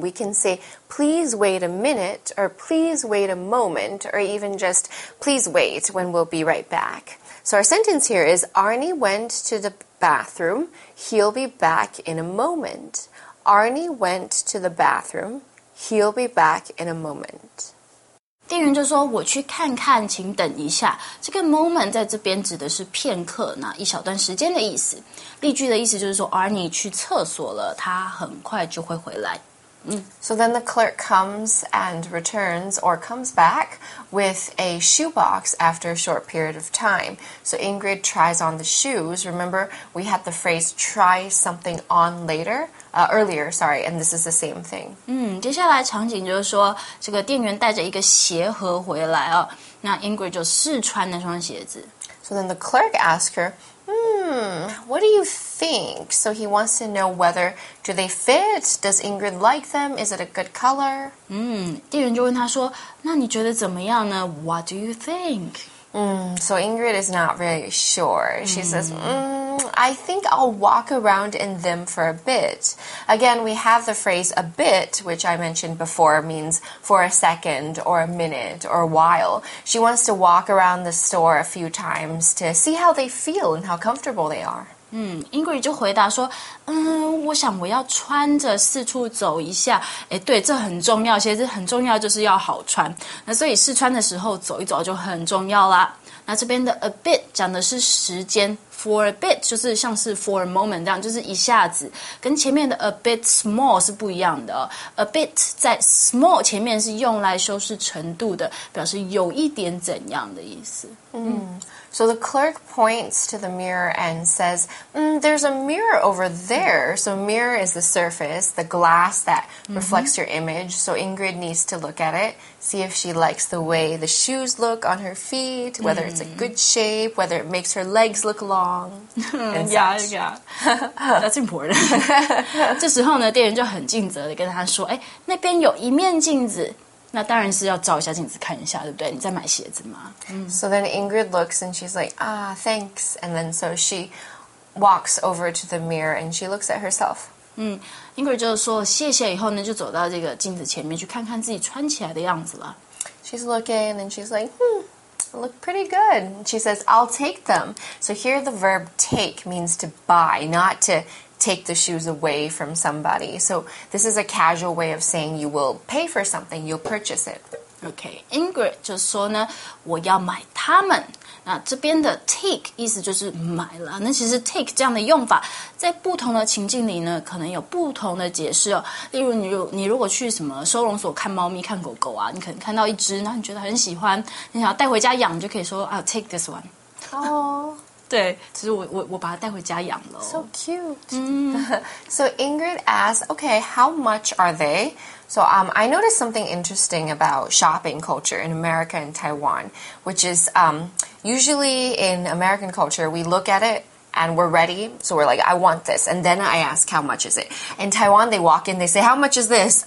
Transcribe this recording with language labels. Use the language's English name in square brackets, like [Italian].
[English] We can say, please wait a minute, or please wait a moment, or even just, please wait when we'll be right back. So our sentence here is, Arnie went to the bathroom. He'll be back in a moment. Arnie went to the bathroom. He'll be back in a moment. [Chinese] 店员就说我去看看请等一下这个 moment 在这边指的是片刻那一小段时间的意思例句的意思就是说 Arnie 去厕所了他很快就会回来 [English] So then the clerk comes and returns, or comes back, with a shoebox after a short period of time. So Ingrid tries on the shoes. Remember, we had the phrase, try something on earlier, and this is the same thing. [Chinese] 接下来场景就是说，这个店员带着一个鞋盒回来哦，那 Ingrid 就试穿那双鞋子。 [English] So then the clerk asks her,what do you think? So he wants to know whether do they fit? Does Ingrid like them? Is it a good color? [Chinese] 店员就问他说，那你觉得怎么样呢？ [English] What do you think? So Ingrid is not very sure. She says, I think I'll walk around in them for a bit. Again, we have the phrase a bit, which I mentioned before, means for a second or a minute or a while. She wants to walk around the store a few times to see how they feel and how comfortable they are. [Chinese] Ingrid 就回答说，我想我要穿着四处走一下。诶，对，这很重要，鞋子很重要，就是要好穿。那所以试穿的时候走一走就很重要啦。那这边的 a bit 讲的是时间， for a bit 就是像是 for a moment 这样，就是一下子，跟前面的 a bit small 是不一样的、哦、a bit 在 small 前面是用来修饰程度的，表示有一点怎样的意思。 [English] So the clerk points to the mirror and says, there's a mirror over there. So mirror is the surface, the glass that reflects your image. So Ingrid needs to look at it, see if she likes the way the shoes look on her feet, whether it's a good shape, whether it makes her legs look long. That's important. [Chinese] 这时候呢，店员就很尽责地跟他说，诶，那边有一面镜子。那当然是要照一下镜子看一下，对不对？你在买鞋子吗？ [English] So then Ingrid looks and she's like, thanks. And then so she walks over to the mirror and she looks at herself. [Chinese] Ingrid 就说谢谢以后呢，就走到这个镜子前面去看看自己穿起来的样子了。 [English] She's looking and she's like, look pretty good. She says, I'll take them. So here the verb take means to buy, not to... take the shoes away from somebody. So this is a casual way of saying you will pay for something, you'll purchase it. [Chinese] Okay, Ingrid 就说呢，我要买他们。那这边的 take 意思就是买了。那其实 take 这样的用法在不同的情境里呢，可能有不同的解释哦。例如你如果去什么收容所看猫咪、看狗狗啊，你可能看到一只，那你觉得很喜欢，你想要带回家养，你就可以说啊 ， [English] take this one. Oh. [Chinese] 对，其实我把它带回家养了。 [English] So cute. So Ingrid asks, okay, how much are they? So I noticed something interesting about shopping culture in America and Taiwan, which is usually in American culture, we look at it and we're ready. So we're like, I want this. And then I ask, how much is it? In Taiwan, they walk in, they say, how much is this?